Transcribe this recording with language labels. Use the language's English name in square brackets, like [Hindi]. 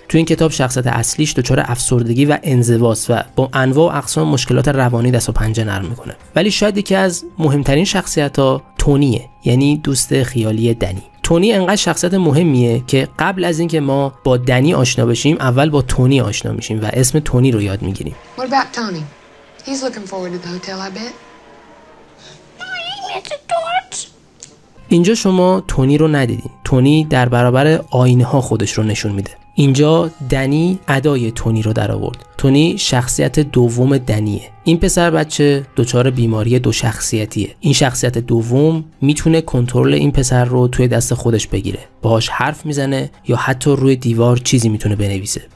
[Persian] تو این کتاب شخصیت اصلیش دچار افسردگی و انزواست و با انواع و اقسام مشکلات روانی دست و پنجه نرم میکنه، ولی شاید یکی از مهمترین شخصیت ها تونیه، یعنی دوست خیالی دنی. تونی انقدر شخصیت مهمیه که قبل از اینکه ما با دنی آشنا بشیم، اول با تونی آشنا میشیم و اسم تونی رو یاد میگیریم. [English] What about Tony? He's looking forward to the hotel, I bet. [Persian] اینجا شما تونی رو ندیدین. تونی در برابر آینه ها خودش رو نشون میده. اینجا دنی ادای تونی رو در آورد. تونی شخصیت دوم دنیه. این پسر بچه دچار بیماری دو شخصیتیه. این شخصیت دوم میتونه کنترل این پسر رو توی دست خودش بگیره، باهاش حرف میزنه یا حتی روی دیوار چیزی میتونه بنویسه.